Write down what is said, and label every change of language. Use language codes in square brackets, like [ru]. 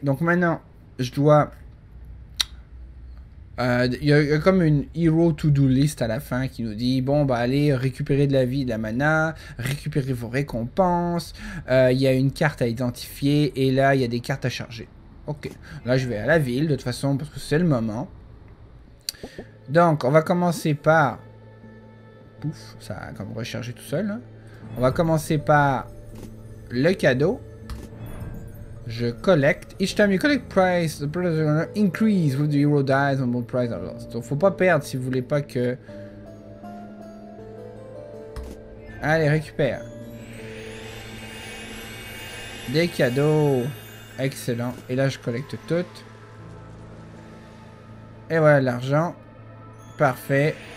[fr] Donc maintenant je dois il y a comme une hero to do list à la fin qui nous dit bon bah allez récupérer de la vie, de la mana, récupérer vos récompenses, il y a une carte à identifier et là il y a des cartes à charger. Ok, là je vais à la ville de toute façon parce que c'est le moment. Donc, on va commencer par... pouf, ça a comme rechargé tout seul. Hein. On va commencer par le cadeau. Je collecte. [en] Each time you collect prize, the prize is going to increase with the hero dies and more prize are lost. [fr] Donc, faut pas perdre si vous voulez pas que... allez, récupère. Des cadeaux. Excellent. Et là, je collecte tout. Et voilà l'argent. Parfait.